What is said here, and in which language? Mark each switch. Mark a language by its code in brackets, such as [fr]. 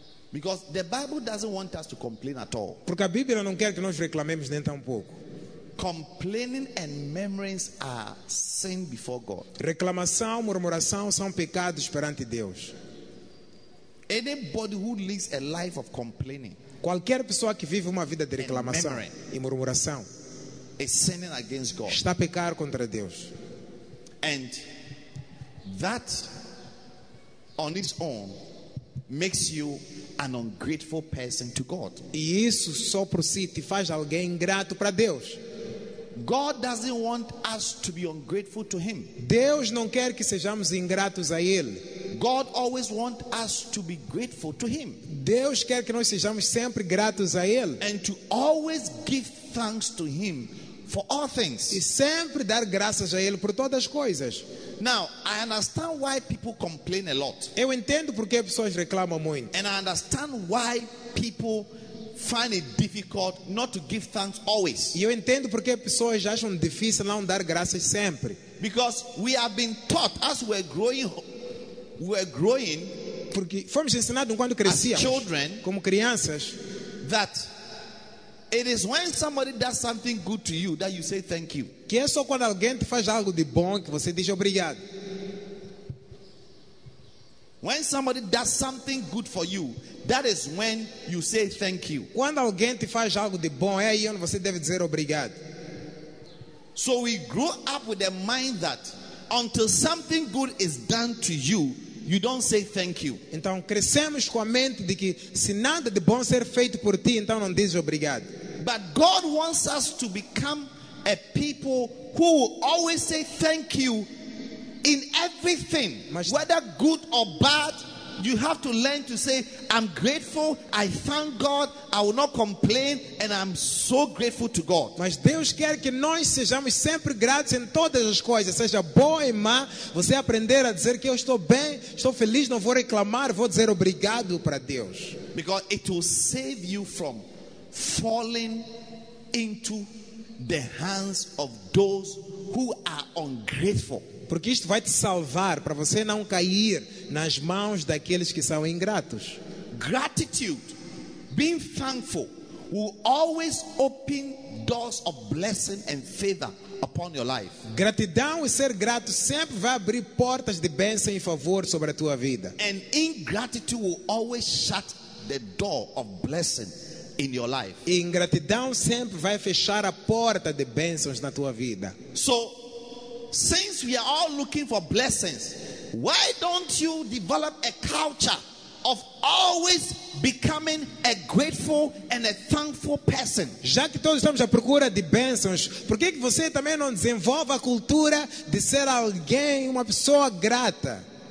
[en] Because the Bible doesn't want us to complain at all. [pt] Porque a Bíblia não quer que nós reclamemos nem tampouco. [en] Complaining and murmuring are sin before God. [pt] Reclamação, murmuração são pecados perante Deus. [en] Anybody who lives a life of complaining. [pt] Qualquer pessoa que vive uma vida de reclamação e murmuração [en] is sinning against God. [pt] Está a pecar contra Deus. [en] And that on its own makes you an ungrateful person to God. [pt] E isso só por si te faz alguém ingrato para Deus. [en] God doesn't want us to be ungrateful to him. [pt] Deus não quer que sejamos ingratos a ele. [en] God always wants us to be grateful to him. [pt] Deus quer que nós sejamos sempre gratos a ele. [en] And to always give thanks to him for all things. [pt] E sempre dar graças a ele por todas as coisas. [en] Now, I understand why people complain a lot. [pt] Eu entendo porque pessoas reclamam muito. [en] And I understand why people find it difficult not to give thanks always. [pt] E eu entendo porque pessoas acham difícil não dar graças sempre. [en] Because we have been taught as we're growing, [pt] porque fomos ensinados quando crescíamos, [en] children, [pt] como crianças, [en] that it is when somebody does something good to you that you say thank you. [pt] Que é só quando alguém te faz algo de bom que você diz obrigado. [en] When somebody does something good for you, that is when you say thank you. [pt] Quando alguém te faz algo de bom, é aí onde você deve dizer obrigado. [en] So we grow up with a mind that until something good is done to you, you don't say thank you. [pt] Então crescemos com a mente de que se nada de bom ser feito por ti, então não diz obrigado. [en] But God wants us to become a people who will always say thank you in everything, whether good or bad. You have to learn to say, I'm grateful, I thank God, I will not complain, and I'm so grateful to God. [pt] Mas Deus quer que nós sejamos sempre gratos em todas as coisas, seja boa e má. Você aprender a dizer que eu estou bem, estou feliz, não vou reclamar, vou dizer obrigado para Deus. [en] Because it will save you from falling into the hands of those who are ungrateful. [pt] Porque isto vai te salvar para você não cair nas mãos daqueles que são ingratos. [en] Gratitude, being thankful, will always open doors of blessing and favor upon your life. [pt] Gratidão e ser grato sempre vai abrir portas de bênção e favor sobre a tua vida. [en] And ingratitude will always shut the door of blessing in your life. [pt] E ingratidão sempre vai fechar a porta de bênçãos na tua vida. [en] So, since we are all looking for blessings, why don't you develop a culture of always becoming a grateful and a thankful person? [pt] Já que todos estamos à procura de bênçãos, por que você também não desenvolve a cultura de ser alguém, uma pessoa grata?